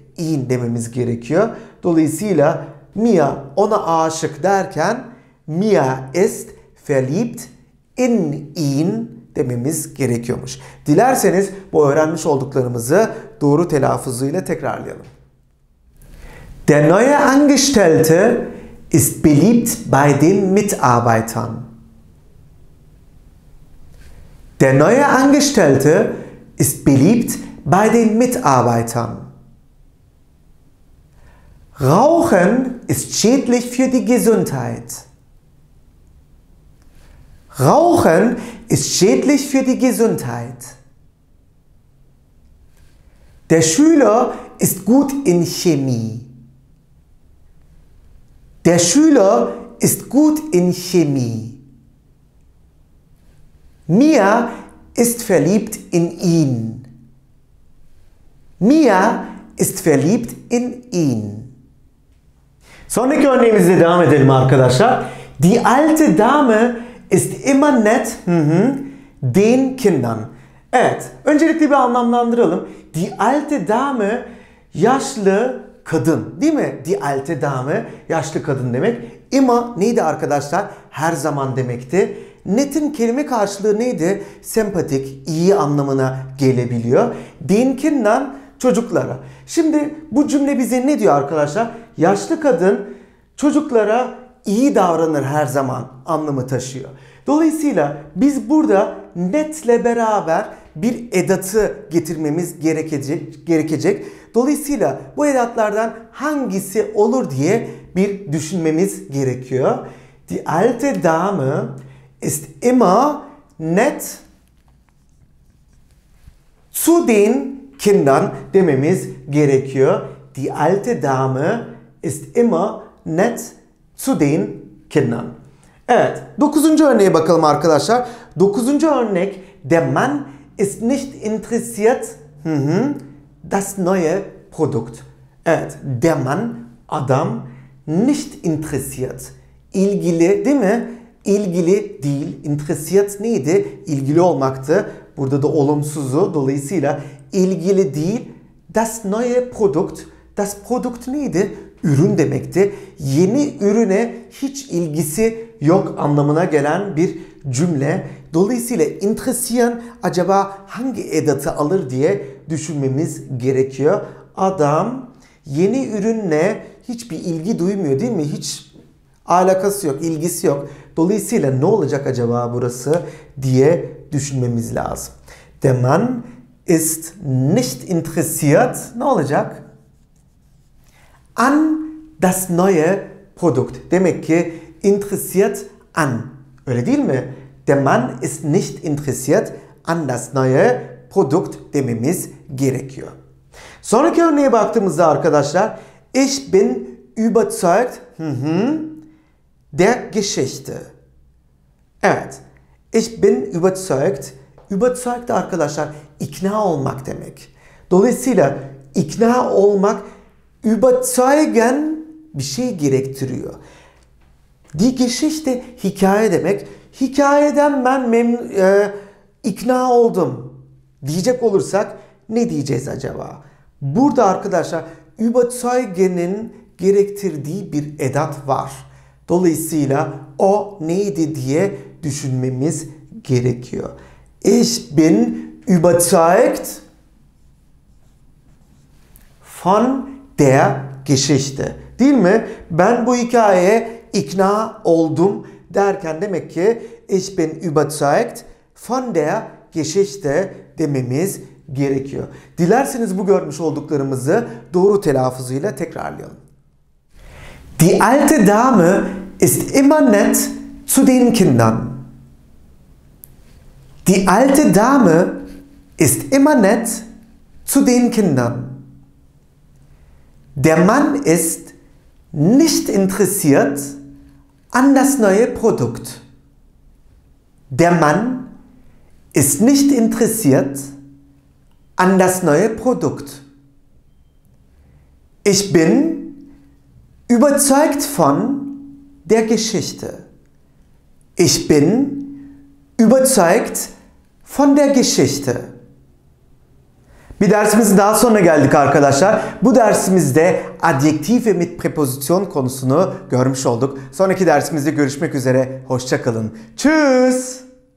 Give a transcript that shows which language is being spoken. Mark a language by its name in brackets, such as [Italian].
[Turkish] İn dememiz gerekiyor. Dolayısıyla Mia ona aşık derken [German] Mia ist verliebt in ihn [Turkish] dememiz gerekiyormuş. Dilerseniz bu öğrenmiş olduklarımızı doğru telaffuzuyla tekrarlayalım. [German] Der neue Angestellte ist beliebt bei den Mitarbeitern. Der neue Angestellte ist beliebt bei den Mitarbeitern. Rauchen ist schädlich für die Gesundheit. Rauchen ist schädlich für die Gesundheit. Der Schüler ist gut in Chemie. Der Schüler ist gut in Chemie. Mia ist verliebt in ihn. Mia ist verliebt in ihn. [Turkish] Sonraki örneğimize devam edelim arkadaşlar. [German] Die alte Dame ist immer nett den Kindern. [Turkish] Evet, öncelikle bir anlamlandıralım. [German] Die alte Dame, [Turkish] yaşlı kadın, değil mi? [German] Die alte Dame, [Turkish] yaşlı kadın demek. Immer neydi arkadaşlar? Her zaman demekti. Nett'in kelime karşılığı neydi? Sempatik, iyi anlamına gelebiliyor. [German] Den Kindern, [Turkish] çocuklara. Şimdi bu cümle bize ne diyor arkadaşlar? Yaşlı kadın çocuklara iyi davranır her zaman anlamı taşıyor. Dolayısıyla biz burada netle beraber bir edatı getirmemiz gerekecek. Dolayısıyla bu edatlardan hangisi olur diye bir düşünmemiz gerekiyor. [German] Die alte Dame ist immer nett zu den Kindern [Turkish] dememiz gerekiyor. [German] Die alte Dame ist immer nett zu den Kindern. [Turkish] Evet, dokuzuncu örneğe bakalım arkadaşlar. Dokuzuncu örnek, [German] der Mann ist nicht interessiert das neue Produkt. Evet, der Mann, adam, nicht interessiert. [Turkish] İlgili, değil mi? İlgili değil. Interessiert neydi? İlgili olmaktı. Burada da olumsuzu. Dolayısıyla ilgili değil. [German] Das neue Produkt. Das Produkt [Turkish] neydi? Ürün demekti. Yeni ürüne hiç ilgisi yok anlamına gelen bir cümle. Dolayısıyla interessieren acaba hangi edatı alır diye düşünmemiz gerekiyor. Adam yeni ürünle hiçbir ilgi duymuyor, değil mi? Hiç alakası yok, ilgisi yok. Dolayısıyla ne olacak acaba burası diye düşünmemiz lazım. [German] Der Mann ist nicht interessiert. [Turkish] Ne olacak? [German] An das neue Produkt. [Turkish] Demek ki [German] interessiert an. [Turkish] Öyle değil mi? [German] Der Mann ist nicht interessiert an das neue Produkt [Turkish] dememiz gerekiyor. Sonraki örneğe baktığımızda arkadaşlar, [German] ich bin überzeugt der Geschichte. [Turkish] Evet. [German] Ich bin überzeugt. [Turkish] Überzeugt arkadaşlar, ikna olmak demek. Dolayısıyla ikna olmak überzeugen bir şey gerektiriyor. [German] Die Geschichte [Turkish] hikaye demek. Hikayeden ben ikna oldum diyecek olursak ne diyeceğiz acaba? Burada arkadaşlar überzeugen'in gerektirdiği bir edat var. Dolayısıyla o neydi diye düşünmemiz gerekiyor. [German] Ich bin überzeugt von der Geschichte. [Turkish] Değil mi? Ben bu hikayeye ikna oldum derken demek ki [German] ich bin überzeugt von der Geschichte [Turkish] dememiz gerekiyor. Dilerseniz bu görmüş olduklarımızı doğru telaffuzuyla tekrarlayalım. [German] Die alte Dame ist immer nett zu den Kindern. Die alte Dame ist immer nett zu den Kindern. Der Mann ist nicht interessiert an das neue Produkt. Der Mann ist nicht interessiert an das neue Produkt. Ich bin überzeugt von der Geschichte. Ich bin überzeugt von der Geschichte. [Turkish] Bir dersimizin daha sonuna geldik arkadaşlar. Bu dersimizde adjektif ve mit preposition konusunu görmüş olduk. Sonraki dersimizde görüşmek üzere. Hoşça kalın. [German] Tschüss.